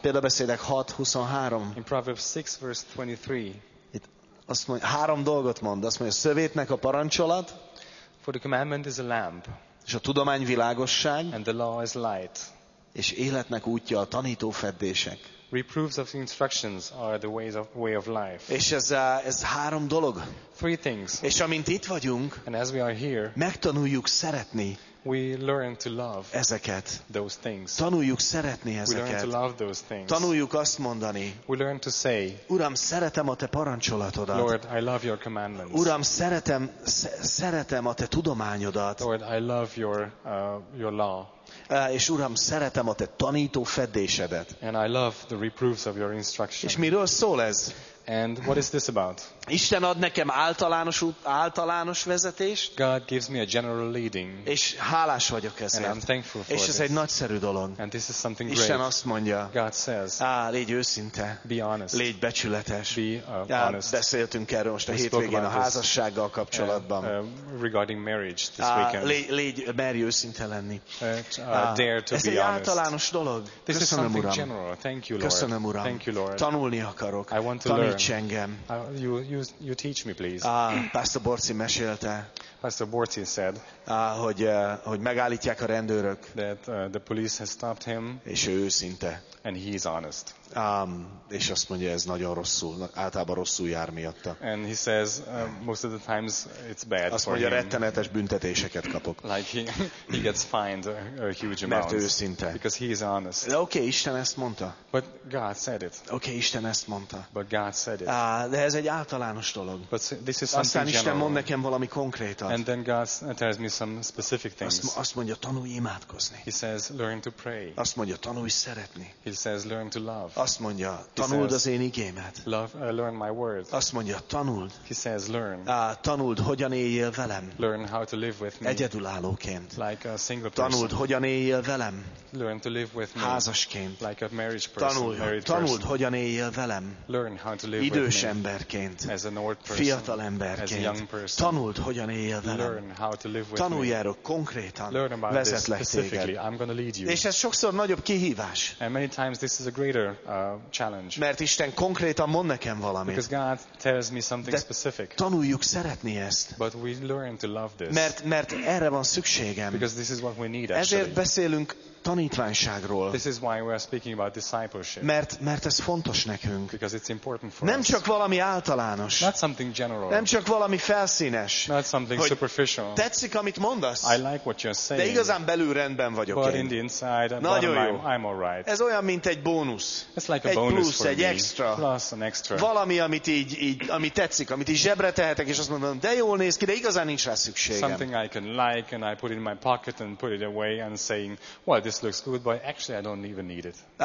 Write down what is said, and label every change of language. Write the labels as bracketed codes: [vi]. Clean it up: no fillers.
[hu] Példabeszédek 6:23. [en] In Proverbs 6, verse 23. [hu] Itt azt mondja, három dolgot mond. Azt mondja, szövétnek a parancsolat. [en] For the commandment is a lamp. [hu] És a tudomány világosság. [en] And the law is light. [hu] És életnek útja a tanító feddések. [en] Reproofs of instructions are the ways of way of life. [hu] És ez három dolog. [en] Three things. [hu] És amint itt vagyunk, [en] and as we are here, [hu] megtanuljuk szeretni. [en] We learn to love [hu] ezeket. [en] Those things. [hu] Tanuljuk szeretni ezeket. [en] We learn to love those things. [hu] Tanuljuk azt mondani. [en] We learn to say. [hu] Uram, szeretem a te parancsolatodat. [en] Lord, I love your commandments. [hu] Uram, szeretem a te tudományodat. [en] Lord, I love your law. [hu] És Uram, szeretem a te tanító feddésedet. [en] And I love the reproofs of your instruction. [hu] És miről szól ez? [en] And what is this about? [hu] Isten ad nekem általános vezetést. [en] God gives me a general leading. [hu] És hálás vagyok ezért. [en] And I'm thankful for [hu] és ez [en] this. [hu] Egy nagyszerű dolog. [en] And this is something [hu] Isten [en] great. [hu] Azt mondja. [en] God says. [hu] Légy őszinte. [en] Be honest. [hu] Légy becsületes. [en] Be honest. [hu] Beszéltünk erről most a hétvégén a házassággal kapcsolatban. [en] Regarding marriage this weekend. [hu] Légy merj őszinte lenni. [en] Dare to [hu] ez [en] be [hu] egy Általános dolog. [en] This [hu] köszönöm, [en] is something [hu] Uram. [en] General. Thank you, Lord. [hu] Köszönöm, Uram. [en] Thank you, Lord. [hu] Tanulni akarok. [en] I want to [hu] taníts engem. [en] You teach me, please. [hu] Pastor Borci mesélte. [en] Pastor Borci said. [hu] Hogy megállítják a rendőrök. [en] That the police has stopped him. [hu] És ő őszinte. [en] And he is honest. [hu] És azt mondja, ez nagyon rosszul, általában rosszul jár miatta. [en] And he says most of the times it's bad. [hu] Azt mondja, rettenetes büntetéseket kapok. [en] Like he gets fined a huge amount. [hu] Mert ő őszinte. [en] Because he is honest. [hu] De okay, Isten ezt mondta. [en] But God said it. [hu] Okay, Isten ezt mondta. [en] But God said it. [hu] De ez egy általános dolog. [en] But this is something [hu] aztán Isten [en] general. [hu] Mond nekem valami konkrétat. [en] And then God tells me some specific things. [hu] Azt mondja, tanulj imádkozni. [en] He says learn to pray. [hu] Azt mondja, tanulj szeretni. [en] He says learn to love. [hu] Azt mondja, tanuld az én igémet. [en] Learn my word. [hu] Azt mondja, tanuld. [en] He says, learn. [hu] Tanuld, hogyan éljél velem. [en] Learn how to live with me. [hu] Egyedülállóként. [en] Like a single person. [hu] Tanuld, hogyan éljél velem. [en] Learn to live with me. [hu] Házasként. [en] Like a marriage person. [hu] Tanuld, hogyan éljél velem. [en] Learn how to live [hu] idős [en] with me. [hu] Emberként. [en] as an old person, [hu] fiatal emberként, [en] as a young person, [hu] tanuld, hogyan éljél velem. Tanuljárok konkrétan, vezetlek téged. És ez sokszor nagyobb kihívás. [en] And many times this is a greater, challenge. [hu] Mert Isten konkrétan mond nekem valamit. [en] Because God tells me something specific. [hu] Tanuljuk szeretni ezt. [en] But we learn to love this. [hu] Mert erre van szükségem. [en] Because this is what we need, actually. [hu] Ezért beszélünk tanítványságról. [en] This is why we are speaking about discipleship. [hu] Mert ez fontos nekünk. [en] Because it's important for [hu] nem [en] us. [hu] Csak valami általános. [en] Not something general. [hu] Nem csak valami felszínes. [en] Not something [hu] hogy [en] superficial. [hu] Tetszik, amit mondasz. [en] I like what you're saying. [hu] De igazán belül rendben vagyok. [en] But [hu] én. [en] In the inside, [hu] nagyon jó. [en] I'm all right. [hu] Ez olyan, mint egy bónusz. [en] It's like [hu] egy [en] a bonus [hu] plusz, [en] for [hu] egy [en] me. [hu] Extra. [en] Plus an extra. [hu] Valami, amit így ami tetszik, amit így zsebre tehetek, és azt mondom, de jól néz ki, de igazán nincs rá szükségem. [en] Something I can like and I put in my pocket and put it away and saying, well, this looks good, but actually I don't even need it.